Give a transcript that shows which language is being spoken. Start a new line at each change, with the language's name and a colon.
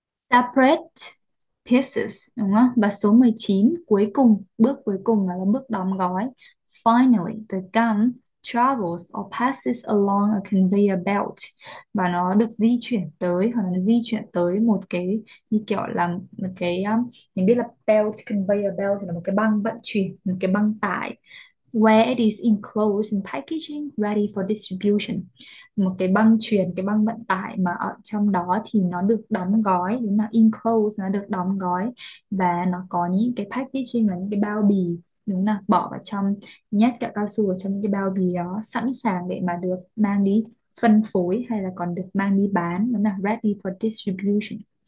English: Separate pieces,
Vietnamese: đúng không? Và số 19 cuối cùng, bước cuối cùng là bước đóng gói.
English: Finally, the gum travels or passes along a conveyor belt,
Vietnamese: và nó được di chuyển tới, hoặc là nó di chuyển tới một cái như kiểu là một cái mình biết là belt, conveyor belt thì là một cái băng vận chuyển, một cái băng tải.
English: Where it is enclosed in packaging ready for distribution.
Vietnamese: Một cái băng chuyền, cái băng vận tải mà ở trong đó thì nó được đóng gói, đúng là enclosed, nó được đóng gói và nó có những cái packaging là những cái bao bì, đúng là bỏ vào trong, nhét kẹo cao su vào trong những cái bao bì đó, sẵn sàng để mà được mang đi phân phối hay là còn được mang đi bán, đúng là
English: ready for distribution.